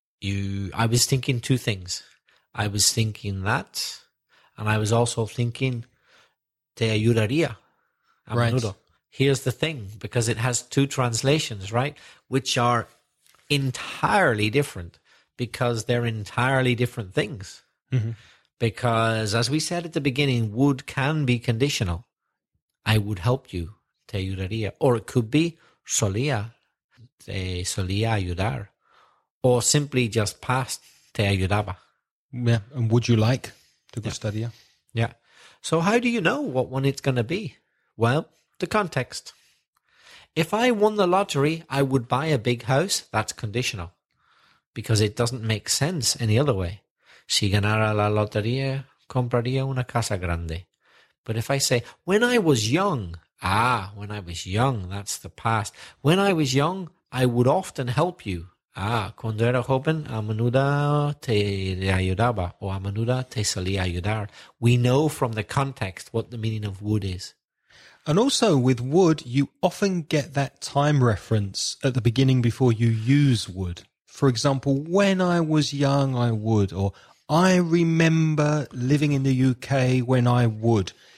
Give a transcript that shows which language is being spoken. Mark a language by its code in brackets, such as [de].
[en] I was thinking two things. I was thinking that, and I was also thinking [es] te ayudaría a menudo. [en] Right. Here's the thing, because it has two translations, right, which are entirely different, because they're entirely different things. Mm-hmm. Because, as we said at the beginning, would can be conditional. I would help you, [es] te ayudaría. [en] Or it could be solía, [es] te solía ayudar. [en] Or simply just past, [es] te ayudaba. [en] Yeah, and would you like, to go study. Yeah. So how do you know what one it's going to be? Well, the context. If I won the lottery, I would buy a big house. That's conditional. Because it doesn't make sense any other way. [es] Si ganara la lotería, compraría una casa grande. [en] But if I say, when I was young, when I was young, that's the past. When I was young, I would often help you. [es] Cuando era joven, a menudo te ayudaba, o a menudo te solía ayudar. [en] We know from the context what the meaning of would is. And also with would, you often get that time reference at the beginning before you use would. For example, when I was young, I would, or I remember living in the UK when I would.